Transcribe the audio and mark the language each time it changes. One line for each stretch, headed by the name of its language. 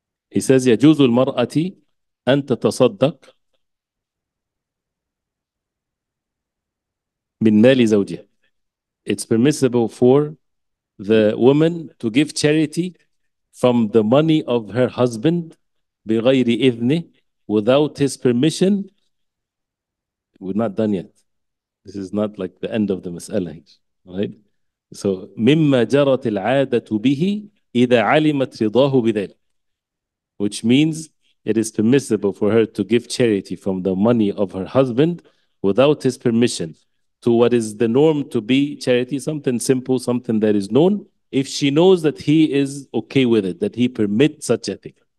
English: He says,
Arabic: يجوز المرأة أن تتصدق من مال زوجها.
English: It's permissible for the woman to give charity from the money of her husband
Arabic: بغير إذنه,
English: without his permission. We're not done yet. This is not like the end of the mas'ala here, right?
Arabic: So, مما جرت العادة به إذا علمت رضاه بذلك.
English: Which means it is permissible for her to give charity from the money of her husband without his permission to what is the norm to be charity, something simple, something that is known, if she knows that he is okay with it, that he permits such a thing.